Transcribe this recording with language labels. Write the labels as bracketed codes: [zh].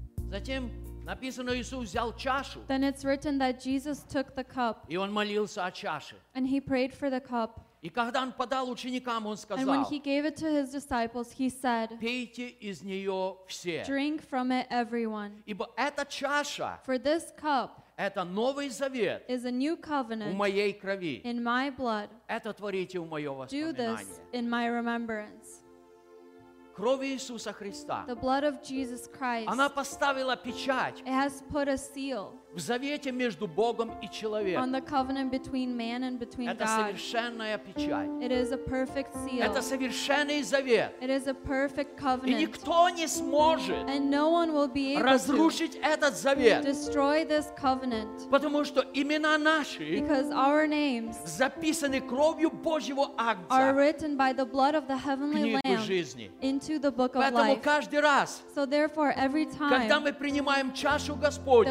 [ru] Затем написано, Иисус взял чашу. [en] Then it's written that Jesus took the cup. [ru] И он молился о чаше. [en] And he prayed for the cup. [ru] И когда он подал ученикам, он сказал: [en] And when he gave it to his disciples, he said, [ru] "Пейте из нее все." [en] Drink from it, everyone. [ru] Ибо эта чаша, [en] for this cup, [ru] это новый завет, [en] is a new covenant, [ru] в моей крови, [en] in my blood. [ru] Это творите в мое воспоминание. [en] Do this in my remembrance. [ru] Кровь Иисуса Христа. [en] The blood of Jesus Christ. [ru] Она поставила печать. [en] It has put a seal. [ru] В завете между Богом и человеком. [en] On the covenant between man and between [ru] God. Это совершенная печать. [en] It is a perfect seal. [ru] Это совершенный завет. [en] It is a perfect covenant. [ru] И никто не сможет. [en] And no one will be able [ru] разрушить этот завет. [en] Destroy this covenant. [ru] Потому что имена наши. [en] Because our names. [ru] Записаны кровью Божьего Агнца. [en] Are written by the blood of the heavenly Lamb. [ru] Книгу жизни. [en] Into the book of [ru] Поэтому [en] life. [ru] Каждый раз. [en] So therefore every time. [ru] Когда мы принимаем чашу Господню.